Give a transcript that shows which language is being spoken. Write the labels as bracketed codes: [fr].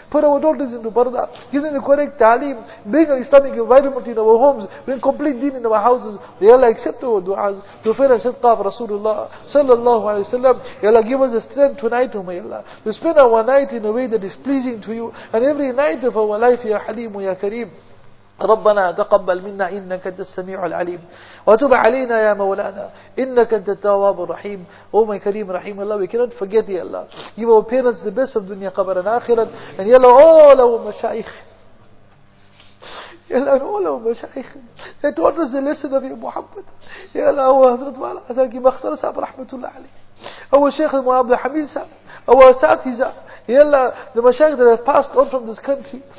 [en] Put our daughters into parda. Give them the correct ta'aleem. Bring an Islamic environment in our homes. Bring complete deen in our houses. Ya Allah, accept our du'as. To fill a sidqa of Rasulullah sallallahu alayhi wa sallam. Ya Allah, give us the strength tonight, O my Allah, to spend our night in a way that is pleasing to you, and every night of our life, Ya Haleem, Ya Kareem. [ar] ربنا تقبل منا إنك أنت السميع العليم وتب علينا يا مولانا إنك أنت التواب الرحيم. [en] Oh my Kareem Rahim Allah, we cannot forget, Ya Allah. Give our parents the best of dunya qabr and akhirat, and Ya Allah, all our mashaykh. Ya Allah, all our mashaykh, they taught us the lesson of your Muhammad. Ya Allah, our Hazrat Wala Azaki Makhtar Sahab Rahmatullah Ali, our Shaykh Al-Mu'abd Al-Hamid Sahab, our Asatiza, Ya Allah, the mashaykh that have passed on from this country.